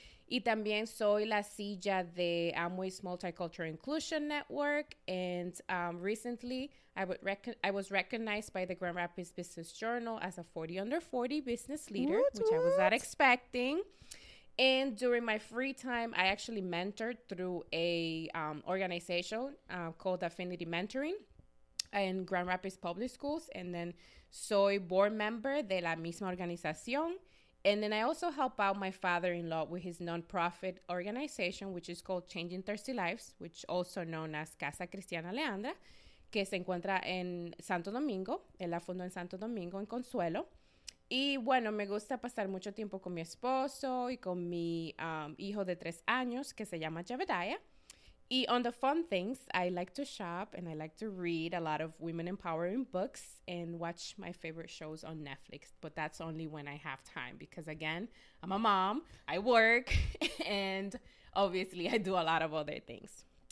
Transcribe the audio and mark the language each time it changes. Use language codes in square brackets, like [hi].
[es] Y también soy la silla de Amway's Multicultural Inclusion Network. [en] And recently, I was recognized by the Grand Rapids Business Journal as a 40 under 40 business leader, I was not expecting. And during my free time, I actually mentored through a organization called Affinity Mentoring in Grand Rapids Public Schools. And then soy board member [es] de la misma organización. [en] And then I also help out my father-in-law with his nonprofit organization, which is called Changing Thirsty Lives, which also known as Casa Cristiana Leandra, [es] que se encuentra en Santo Domingo. Él la fundó en Santo Domingo, en Consuelo. Y bueno, me gusta pasar mucho tiempo con mi esposo y con mi hijo de 3 años, que se llama Javedaya. [en] Y on the fun things, I like to shop and I like to read a lot of women empowering books and watch my favorite shows on Netflix. But that's only when I have time because, again, I'm a mom, I work, and obviously I do a lot of other things.